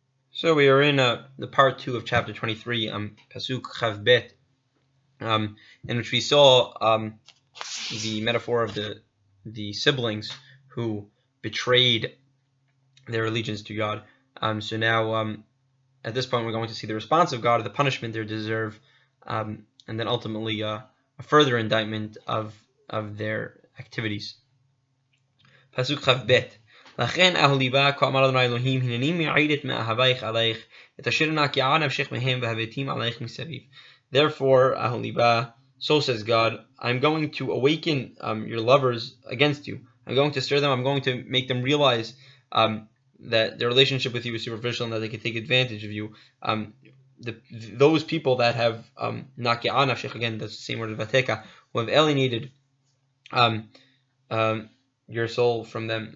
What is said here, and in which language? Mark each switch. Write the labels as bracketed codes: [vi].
[en] So we are in the part two of chapter 23, Pasuk Chav Bet, in which we saw the metaphor of the siblings who betrayed their allegiance to God. So now, at this point, we're going to see the response of God, the punishment they deserve, and then ultimately a further indictment of their activities. Pasuk Chav Bet. [he] לכן אהליבה כה אמר אדוני אלוהים הנני מעידת מאהבייך עלייך את אשר נקיעה נפשך מהם והבטים עלייך מסביב. [en] Therefore, אהליבה, so says God, I'm going to awaken your lovers against you. I'm going to stir them, I'm going to make them realize that their relationship with you is superficial and that they can take advantage of you. Those people that have [he] נקיעה נפשך, [en] again, that's the same word of Vateka, who have alienated your soul from them.